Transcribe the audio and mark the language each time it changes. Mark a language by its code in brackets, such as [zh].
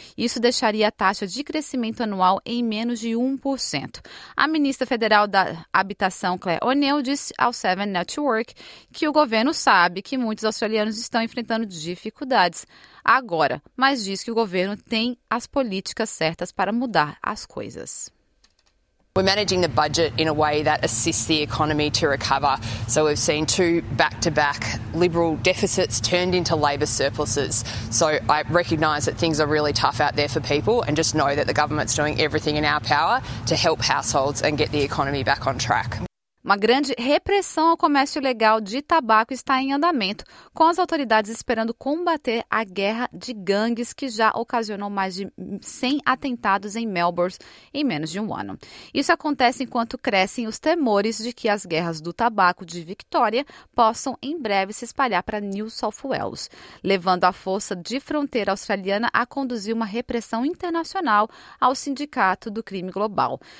[pt] Isso deixaria a taxa de crescimento anual em menos de 1%. A ministra federal da Habitação, Claire O'Neill, disse ao Seven Network que o governo sabe que muitos australianos estão enfrentando dificuldades agora, mas diz que o governo tem as políticas certas para mudar as coisas. [en] We're managing the budget in a way that assists the economy to recover. So we've seen two back-to-back Liberal deficits turned into Labor surpluses. So I recognise that things are really tough out there for people and just know that the government's doing everything in our power to help households and get the economy back on track. [pt] Uma grande repressão ao comércio ilegal de tabaco está em andamento, com as autoridades esperando combater a guerra de gangues que já ocasionou mais de 100 atentados em Melbourne em menos de um ano. Isso acontece enquanto crescem os temores de que as guerras do tabaco de Victoria possam em breve se espalhar para New South Wales, levando a força de fronteira australiana a conduzir uma repressão internacional ao sindicato do crime global.